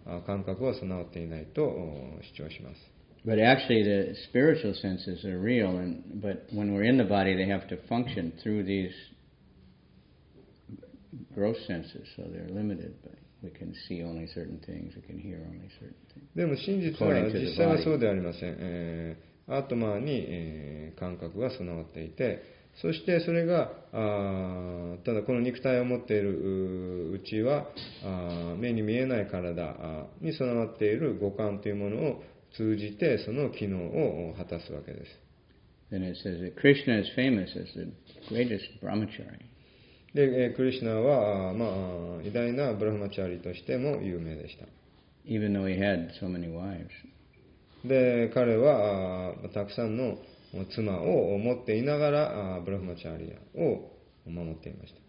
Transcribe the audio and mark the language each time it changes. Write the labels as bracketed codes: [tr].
[ja] 感覚は備わっていないと主張します。 [en] But actually the spiritual senses are real, and, but when we're in the body they have to function through these gross senses, so they're limited, but we can see only certain things, we can hear only certain things. [ja] でも真実は実際はそうではありません。アトマに感覚は備わっていて、そしてそれがただこの肉体を持っているうちは目に見えない体に備わっている五感というものを通じてその機能を果たすわけです。 [en] Then it says that Krishna is famous as the greatest brahmachari. [ja] で、クリシュナは、まあ、偉大なブラハマチャリとしても有名でした。 [en] Even though he had so many wives. [ja] で、彼はたくさんの妻を持っていながらブラハマチャリを守っていました。